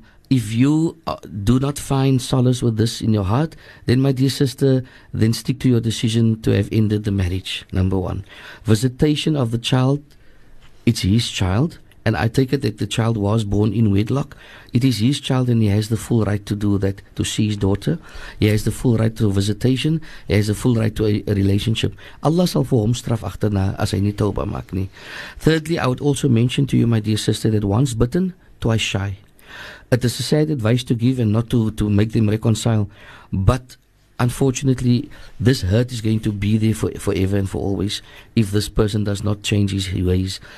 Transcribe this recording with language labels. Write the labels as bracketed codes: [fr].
[en] If you do not find solace with this in your heart, then my dear sister, then stick to your decision to have ended the marriage, number one. Visitation of the child, it's his child, and I take it that the child was born in wedlock. It is his child and he has the full right to do that, to see his daughter. He has the full right to visitation. He has the full right to a relationship. [af] Allah sal vir hom straf agterna as hy nie toba maak nie. [en] Thirdly, I would also mention to you, my dear sister, that once bitten, twice shy. It is a sad advice to give and not to make them reconcile. But unfortunately, this hurt is going to be there forever and for always if this person does not change his ways.